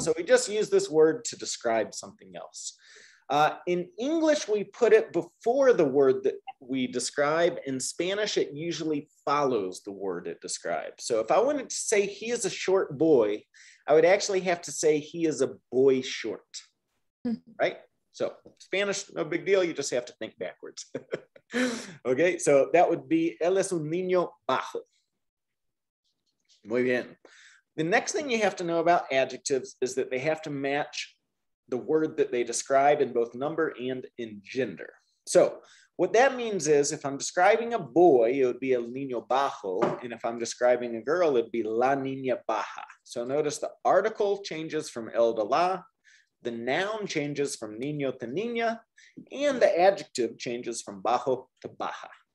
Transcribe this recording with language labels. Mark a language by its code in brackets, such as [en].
[en] So we just use this word to describe something else. In English, we put it before the word that we describe. In Spanish, it usually follows the word it describes. So if I wanted to say he is a short boy, I would actually have to say he is a boy short, right? So Spanish, no big deal. You just have to think backwards. Okay, so that would be [es] él es un niño bajo. Muy bien. [en] The next thing you have to know about adjectives is that they have to match the word that they describe in both number and in gender. So what that means is if I'm describing a boy, it would be [es] el niño bajo. [en] And if I'm describing a girl, it'd be [es] la niña baja. [en] So notice the article changes from el to la, the noun changes from niño to niña, and the adjective changes from bajo to baja.